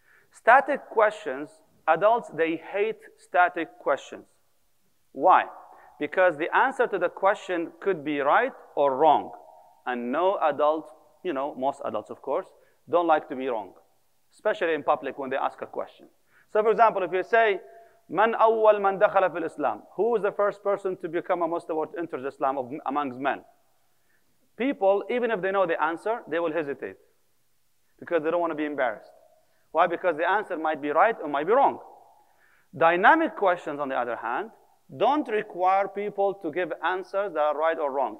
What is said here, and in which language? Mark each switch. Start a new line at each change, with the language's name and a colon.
English: Static questions, adults, they hate static questions. Why? Because the answer to the question could be right or wrong. And no adult, you know, most adults, of course, don't like to be wrong, especially in public when they ask a question. So for example, if you say,
Arabic: من أول من دخل في الإسلام?
English: Who is the first person to become a Muslim or to enter Islam amongst men? People, even if they know the answer, they will hesitate because they don't want to be embarrassed. Why? Because the answer might be right or might be wrong. Dynamic questions, on the other hand, don't require people to give answers that are right or wrong.